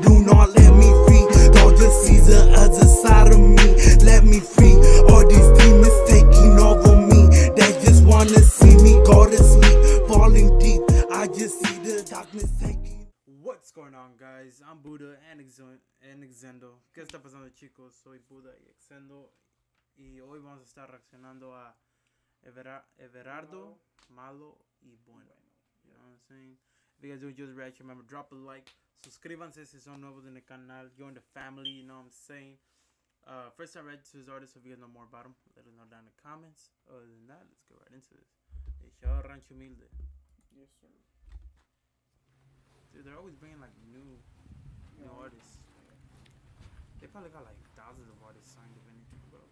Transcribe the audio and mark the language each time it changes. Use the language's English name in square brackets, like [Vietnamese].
[English] Do not let me free. Don't just see the other side of me. Let me free. All these demons taking over me. They just wanna see me go to sleep. Falling deep. I just see the darkness taking. What's going on, guys? I'm Buda and Exendo. [Spanish] ¿Qué está pasando, chicos? Soy Buda y Exendo. Y hoy vamos a estar reaccionando a Everardo, Malo y Bueno. [English] You know what I'm saying? If you guys do enjoy the reaction, remember, drop a like. [Spanish] Suscríbanse si son nuevos en el canal. [English] Join the family, you know what I'm saying? First, I read to his artist, so if you guys know more about him, let us know down in the comments. Other than that, let's get right into this. Hey, show Rancho Humilde. Yes, sir. Dude, they're always bringing, like, new yeah, artists. Yeah. They probably got, like, thousands of artists signed, if anything, bro.